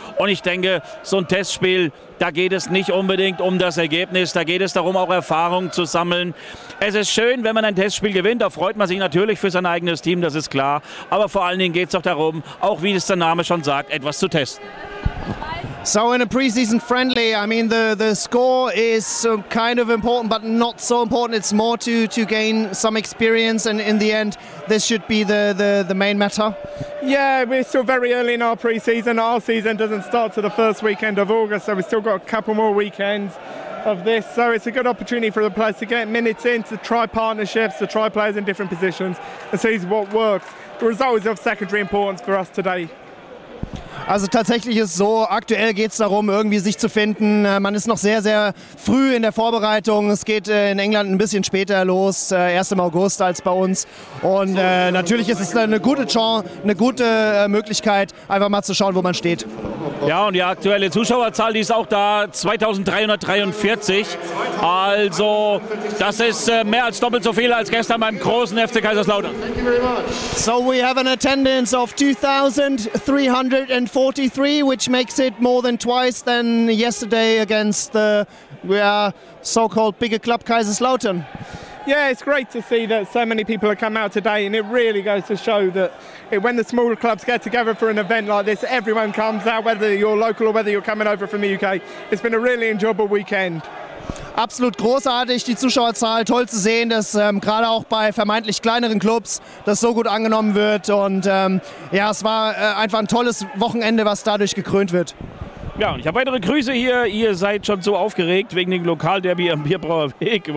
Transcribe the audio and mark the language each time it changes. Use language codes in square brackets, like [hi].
[de] Und ich denke, so ein Testspiel, da geht es nicht unbedingt um das Ergebnis, da geht es darum, auch Erfahrung zu sammeln. Es ist schön, wenn man ein Testspiel gewinnt, da freut man sich natürlich für sein eigenes Team, das ist klar. Aber vor allen Dingen geht es doch darum, auch wie es der Name schon sagt, etwas zu testen. [en] So in a preseason friendly, I mean the score is kind of important, but not so important. It's more to gain some experience, and in the end, this should be the main matter. Yeah, we're still very early in our preseason. Our season doesn't start till the first weekend of August, so we've still got a couple more weekends of this. So it's a good opportunity for the players to get minutes in, to try partnerships, to try players in different positions, and see what works. The result is of secondary importance for us today. [de] Also tatsächlich ist es so, aktuell geht es darum, irgendwie sich zu finden. Man ist noch sehr, sehr früh in der Vorbereitung. Es geht in England ein bisschen später los, erst im August als bei uns. Und natürlich ist es eine gute Chance, eine gute Möglichkeit, einfach mal zu schauen, wo man steht. Ja, und die aktuelle Zuschauerzahl, die ist auch da, 2.343. Also das ist mehr als doppelt so viel als gestern beim großen FC Kaiserslautern. [en] So we have an attendance of 2.343, which makes it more than twice than yesterday against the so-called bigger club Kaiserslautern. Yeah, it's great to see that so many people have come out today, and it really goes to show that when the smaller clubs get together for an event like this, everyone comes out, whether you're local or whether you're coming over from the UK. It's been a really enjoyable weekend. [de] Absolut großartig, die Zuschauerzahl, toll zu sehen, dass gerade auch bei vermeintlich kleineren Clubs das so gut angenommen wird. Und ja, es war einfach ein tolles Wochenende, was dadurch gekrönt wird. Ja, und ich habe weitere Grüße hier. Ihr seid schon so aufgeregt wegen dem Lokalderby am Bierbrauerweg.